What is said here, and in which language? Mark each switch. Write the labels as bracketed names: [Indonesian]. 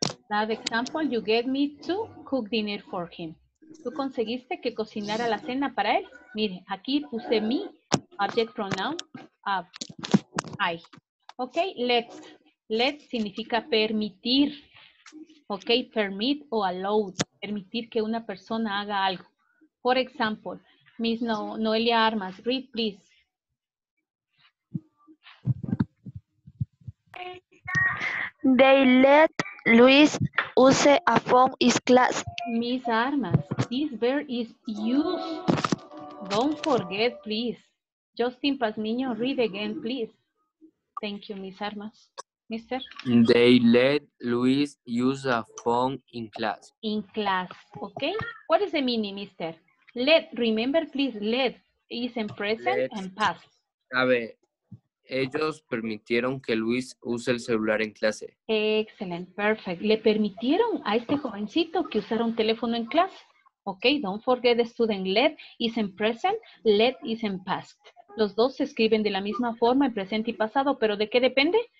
[English] That example, you get me to cook dinner for him. [Spanish] ¿Tú conseguiste que cocinara la cena para él? Mire, aquí puse mi object pronoun, I. Ok, let. Let significa permitir. Ok, permit o allow. Permitir que una persona haga algo. [English] For example, [Spanish] Miss Noelia Armas, [English] read please. They let Luis use a phone in class. Miss Armas, this verb is used. Don't forget, please. Justin Pazmiño, read again, please. Thank you, Miss Armas. Mister? They let Luis use a phone in class. In class, okay. What is the meaning, mister? Let, remember, please, let is in present and past. [Spanish] A ver. Ellos permitieron que Luis use el celular en clase. [English] Excellent, perfect. [Spanish] ¿Le permitieron a este jovencito que usara un teléfono en clase? [English] Ok, don't forget the student. Let is in present, let is in past. [Spanish] Los dos se escriben de la misma forma en presente y pasado, pero ¿de qué depende?